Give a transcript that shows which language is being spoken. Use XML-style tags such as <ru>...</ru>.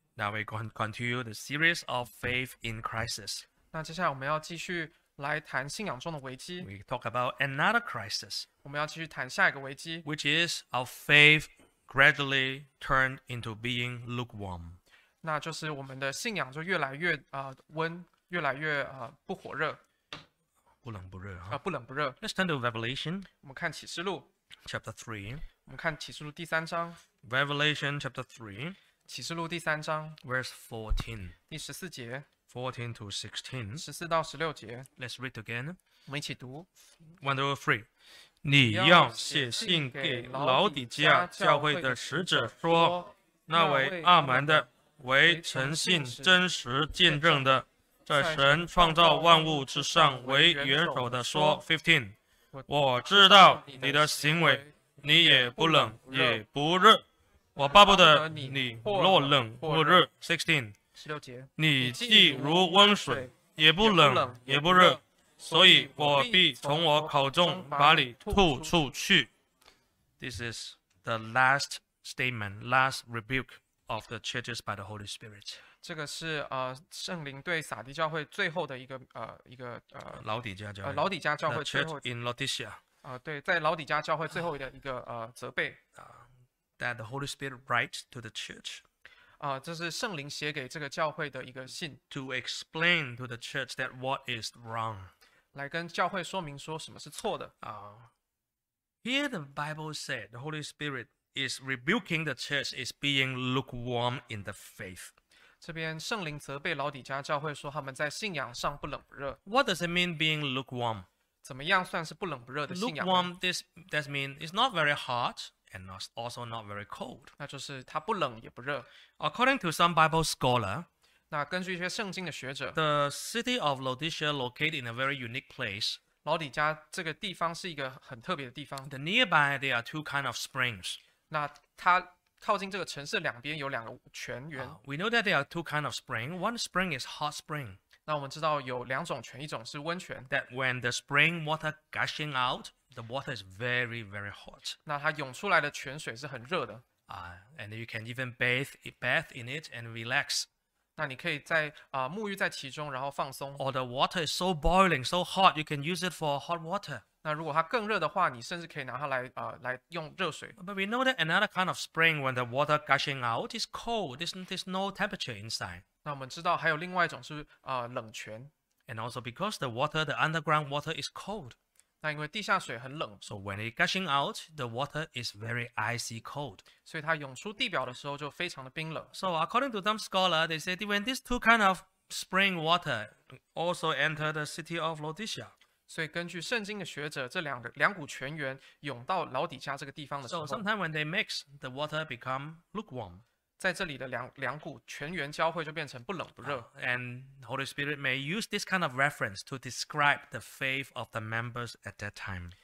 <en>Now we're going to continue the series of faith in crisis.</en> <zh>那接下来我们要继续来谈信仰中的危机。</zh> <en>We talk about another crisis.</en> <zh>我们要继续谈下一个危机。</zh> <en>Which is our faith gradually turned into being lukewarm.</en> <zh>那就是我们的信仰就越来越温，越来越不火热。不冷不热啊，不冷不热。</zh> <en>Let's turn to Revelation.</en> <zh>我们看启示录。</zh> <en>Chapter 3.</en> <zh>我们看启示录第三章。</zh> <en>Revelation chapter 3.</en> <zh>启示录第三章</zh> <en>verse 14,</en> <zh>第十四节</zh> <en>14 to 16,</en> <zh>十四到十六节</zh> <en>Let's read again.</en> <zh>我们一起读</zh> <en>1, 2, 3.</en> <zh>你要写信给老底家教会的使者说，那为阿门的，为诚信真实见证的，在神创造万物之上为元首的说 15. 我知道你的行为，你也不冷也不热。我巴不得你若冷若热 16. 你既如温水，也不冷也不热，所以我必从我口中把你吐出去。</zh> <en>This is the last statement, last rebuke of the churches by the Holy Spirit.</en> <zh>这个是圣灵对撒迪教会最后的一个老底家教会，老底家教会最后的</zh> <en>church in Laodicea.</en> <zh>对，在老底家教会最后的一个责备。</zh> <en>That the Holy Spirit writes to the church.</en> <zh>这是圣灵写给这个教会的一个信。</zh> <en>To explain to the church that what is wrong.</en> <zh>来跟教会说明说什么是错的。</zh> <en>Here the Bible said the Holy Spirit is rebuking the church is being lukewarm in the faith.</en> <zh>这边圣灵责备老底家教会说他们在信仰上不冷不热。</zh> <en>What does it mean being lukewarm?</en> <zh>怎么样算是不冷不热的信仰呢？</zh> <en>Lukewarm, this means it's not very hot. And also not very cold.</en> <zh>那就是它不冷也不热。</zh> <en>According to some Bible scholar,</en> <zh>那根据一些圣经的学者</zh> <en>，the city of Laodicea located in a very unique place.</en> <zh>老底家这个地方是一个很特别的地方。</zh> <en>The nearby there are two kind of springs.</en> <zh>那它靠近这个城市两边有两个泉源。</zh> <en>We know that there are two kind of spring. One spring is hot spring.</en> <zh>那我们知道有两种泉，一种是温泉。</zh> <en>That when the spring water gushing out. The water is very, very hot.</en> <zh>那它涌出来的泉水是很热的。</zh> <en>And you can even bathe in it and relax.</en> <zh>那你可以在沐浴在其中，然后放松。</zh> <en>Or the water is so boiling, so hot, you can use it for hot water.</en> <zh>那如果它更热的话，你甚至可以拿它来用热水。</zh> <en>But we know that another kind of spring, when the water gushing out, is cold. There's no temperature inside.</en> <zh>那我们知道还有另外一种是冷泉。</zh> <en>And also because the underground water is cold.</en> <zh>那因为地下水很冷</zh> <en>，so when it gushing out, the water is very icy cold.</en> <zh>所以它涌出地表的时候就非常的冰冷。</zh> <en>So according to some scholar, they said when these two kind of spring water also enter the city of Laodicea.</en> <zh>所以根据圣经的学者，这两股泉源涌到老底家这个地方的时候</zh> <en>，so sometimes when they mix, the water become lukewarm.</en> <zh>在这里的两股泉源交汇就变成不冷不热。</zh> <en>And Holy Spirit may use this kind of reference to describe the faith of the members at that time.</en>